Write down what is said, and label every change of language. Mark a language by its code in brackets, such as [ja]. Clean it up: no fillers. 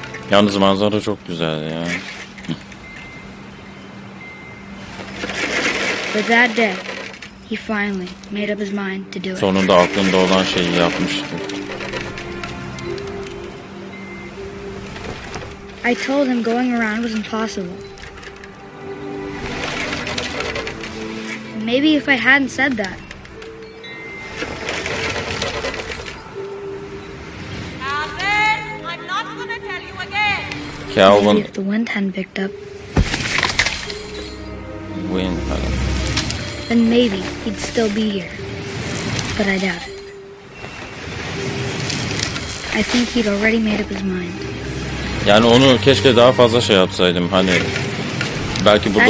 [tr] Yalnız manzara çok güzel ya. [en] But that day, he finally made up his mind to do it. [tr] Sonunda aklında olan şeyi yapmıştı. [en] I told him going around was impossible. Maybe if I hadn't said that. Calvin, I'm not gonna tell you again. Calvin. Maybe if the wind hadn't picked up. Wind hadn't. Then maybe he'd still be here. But I doubt it. I think he'd already made up his mind. [tr] Yani onu keşke daha fazla şey yapsaydım, hani belki bu da